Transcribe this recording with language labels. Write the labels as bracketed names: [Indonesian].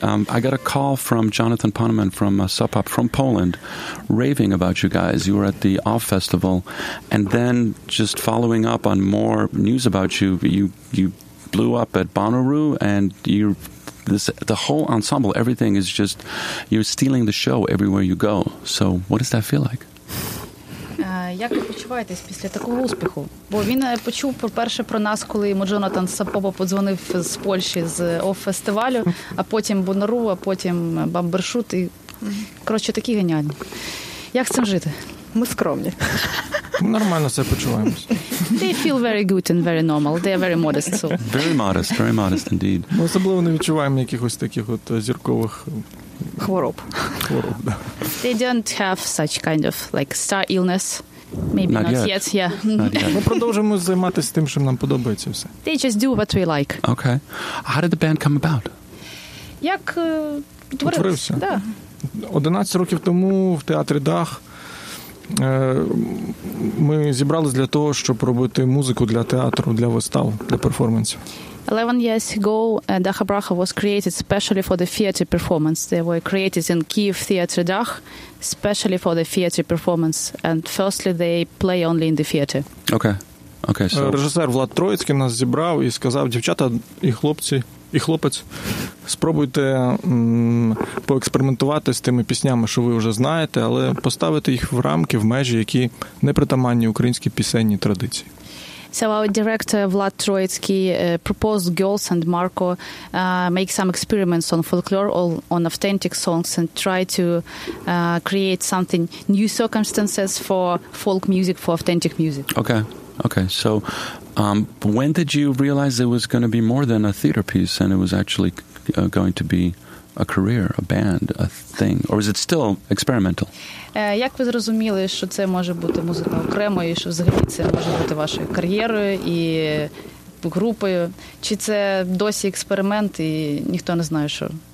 [English] I got a call from Jonathan Poneman from Sub Pop from Poland raving about you guys. You were at the OFF Festival. And then just following up on more news about you, you blew up at Bonnaroo and the whole ensemble, everything is just, you're stealing the show everywhere you go. So what does that feel like? [Ukrainian] Як ви почуваєтесь після такого успіху? Бо він почув перше про нас, коли йому Джонатан Сапопа подзвонив з Польщі, з ОФ-фестивалю, а потім Бонару, а потім Бамбершут. І, коротше, такі геніальні. Як з цим жити? Ми скромні. Нормально себе почуваємось. [English] They feel very good and very normal. They are very modest. So. Very modest indeed. [Ukrainian] Ми особливо не відчуваємо якихось таких от зіркових... Хвороб. Хвороб, да. [English] They don't have such kind of like star illness. Maybe not, not yet. Yeah. [Ukrainian] Ми продовжимо займатися тим, що нам подобається все. [English] They just do what we like. Okay. How did the band come about? [Ukrainian] Як утворився? Да. 11 років тому в театрі «Дах» ми зібралися для того, щоб робити музику для театру, для вистав, для перформансів. [English] 11 years ago, Dacha Bracha was created specially for the theater performance. They were created in Kyiv Theater Dach, specially for the theater performance. And firstly, they play only in the theater. Okay. Okay. So. [Ukrainian] Режисер Влад Троїцький нас зібрав і сказав, дівчата і хлопці, і хлопець, спробуйте поекспериментувати з тими піснями, що ви вже знаєте, але поставити їх в рамки, в межі, які не притаманні українській пісенній традиції. [English] So our director Vlad Troitsky proposed Girls and Marko make some experiments on folklore or on authentic songs and try to create something new circumstances for folk music, for authentic music. Okay. Okay. So when did you realize it was going to be more than a theater piece and it was actually going to be a career, a band, a thing, or is it still experimental? [Ukrainian] Як ви зрозуміли, що це може бути музика окремо, і що взагалі це може бути вашою кар'єрою і групою? Чи це досі експеримент, і ніхто не знає, що?